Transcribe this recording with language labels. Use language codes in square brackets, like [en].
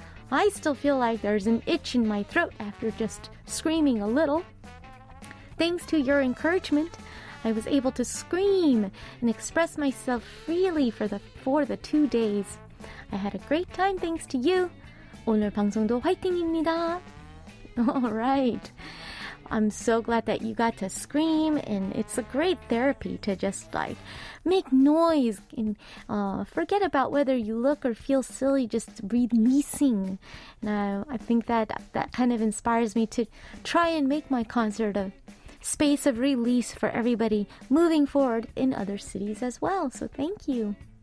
[en] I still feel like there's an itch in my throat after just screaming a little. Thanks to your encouragement, I was able to scream and express myself freely for the 2 days. I had a great time thanks to you. [ko] 오늘 방송도 화이팅입니다. [en] All right. I'm so glad that you got to scream, and it's a great therapy to just, like, make noise and forget about whether you look or feel silly, just releasing. Now, I think that kind of inspires me to try and make my concert a space of release for everybody moving forward in other cities as well. So thank you.